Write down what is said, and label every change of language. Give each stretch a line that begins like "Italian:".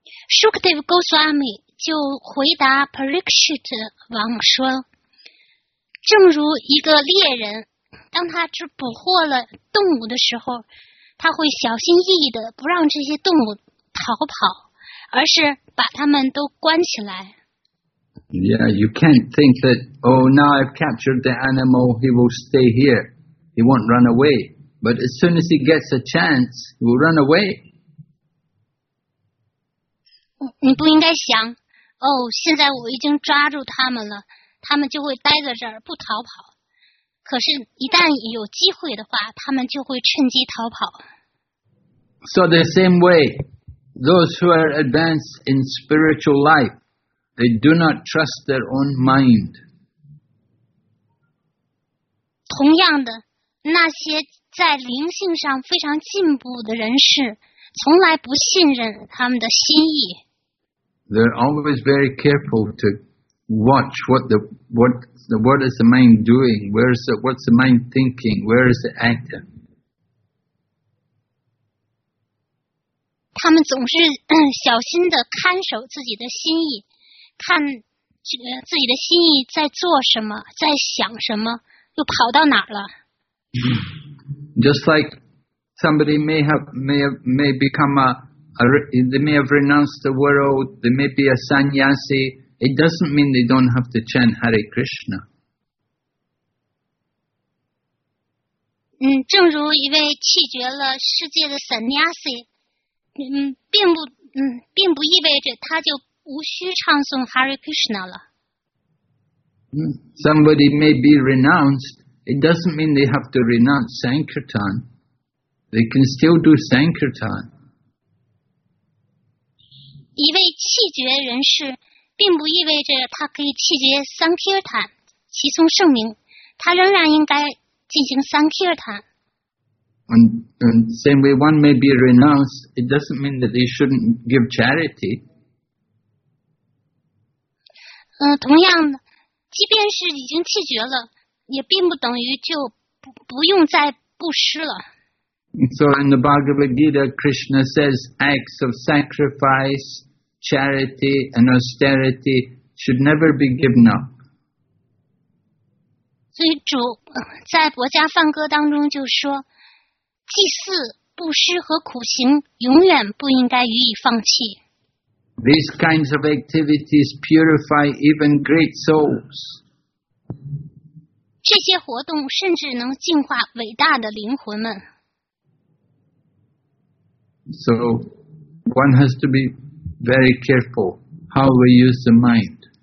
Chinese: Sukadeva Goswami 就回答 Parikshit 王说，正如一个猎人，当他只捕获了动物的时候，他会小心翼翼地不让这些动物逃跑，而是把它们都关起来。
English: Yeah, you can't think that, oh, now I've captured the animal, he will stay here. He won't run away. But as soon as he gets a chance, he will run away.
Chinese: 你不应该想，哦，现在我已经抓住他们了，他们就会待在这儿不逃跑。可是一旦有机会的话，他们就会趁机逃跑。
English: So the same way, those who are advanced in spiritual life,They do not trust their own mind.
Chinese: 同样的，那些在灵性上非常进步的人士，从来不信任他们的心意。
English: They're always very careful to watch what is the mind doing, what's the mind thinking, where is it acting.
Chinese: 他们总是小心地看守自己的心意。看自己的心意在做什么，在想什么，又跑到哪儿了。
English: Just like somebody may have renounced the world, they may be a sannyasi, it doesn't mean they don't have to chant Hare Krishna.
Chinese: 正如一位弃绝了世界的 sannyasi, 并不意味着他就无需唱诵 Hare Krishna 了。
English: Somebody may be renounced. It doesn't mean they have to renounce Sankirtan. They can still do Sankirtan.
Chinese: 一位弃绝人士并不意味着他可以弃绝 Sankirtan, 其诵圣名。他仍然应该进行 Sankirtan.
English: And same way, one may be renounced. It doesn't mean that they shouldn't give charity.
Chinese: 同样的，即便是已经弃绝了，也并不等于就 不用再布施了。
English: So in the Bhagavad Gita, Krishna says acts of sacrifice, charity, and austerity should never be given up.
Chinese: 所以主在薄伽梵歌当中就说，祭祀、布施和苦行永远不应该予以放弃。
English: These kinds of activities purify even great souls.
Chinese: 这些活动甚至能净化伟大的灵魂们。
English: So, one has to be very careful how we use the mind.